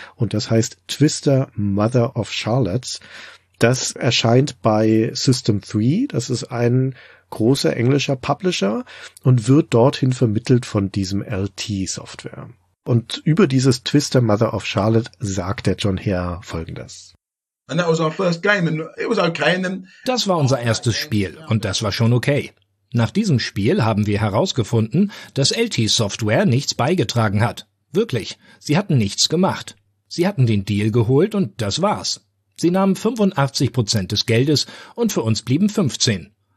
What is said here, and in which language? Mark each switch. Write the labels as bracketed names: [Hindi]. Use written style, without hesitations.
[German] Und das heißt Twister Mother of Charlottes. Das erscheint bei System 3. Das ist ein großer englischer Publisher und wird dorthin vermittelt von diesem LT Software. Und über dieses Twister Mother of Charlotte sagt der John Hare Folgendes. [English] And that was our first game and it was okay. And then [German] das war unser erstes Spiel und das war schon okay. Nach diesem Spiel haben wir herausgefunden, dass LT Software nichts beigetragen hat. Wirklich, sie hatten nichts gemacht. Sie hatten den Deal geholt und das war's. Sie nahmen 85% des Geldes und für uns blieben 15.